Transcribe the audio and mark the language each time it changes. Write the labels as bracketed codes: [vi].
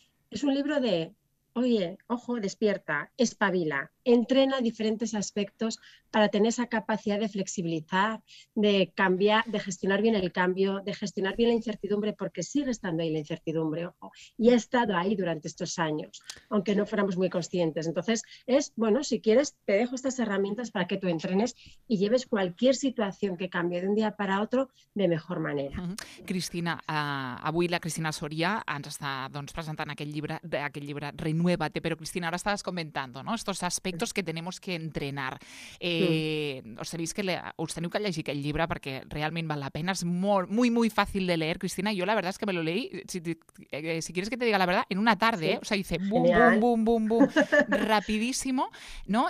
[es] Es un libro de, oye, ojo, despierta, espabila, entrena diferentes aspectos para tener esa capacidad de flexibilizar, de cambiar, de gestionar bien el cambio, de gestionar bien la incertidumbre, porque sigue estando ahí la incertidumbre, ojo, y ha estado ahí durante estos años, aunque no fuéramos muy conscientes. Entonces, es bueno, si quieres, te dejo estas herramientas para que tú entrenes y lleves cualquier situación que cambie de un día para otro de mejor manera. [ca] Cristina, avui la Cristina Soria ens està doncs, presentant aquest llibre Renuévate, però Cristina, ara estaves comentant, no? [es] Estos aspectos que tenemos que entrenar. [ca] Us teniu que llegir aquest llibre perquè realment val la pena, és molt, [es] muy, muy fácil de leer, Cristina, jo la verdad es que me lo leí, si quieres que te diga la verdad, en una tarde, ¿eh? O Sí, sea, dice bum, bum, genial. bum, bum, bum, rapidísimo, ¿no?